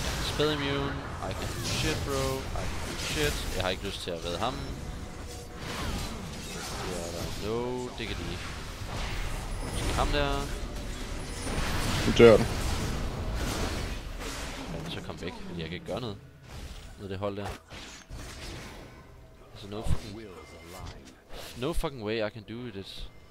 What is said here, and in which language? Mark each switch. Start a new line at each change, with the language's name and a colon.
English: Spell immune, I can do shit bro, I can do shit.
Danish: Jeg har ikke lyst til at redde ham. Det er der. No, det kan de ikke. Måske ham der. Du dør du. Ja, så kom væk, fordi jeg kan ikke gøre noget. Med det hold der.
English: Altså, no fucking... No fucking way I can do this.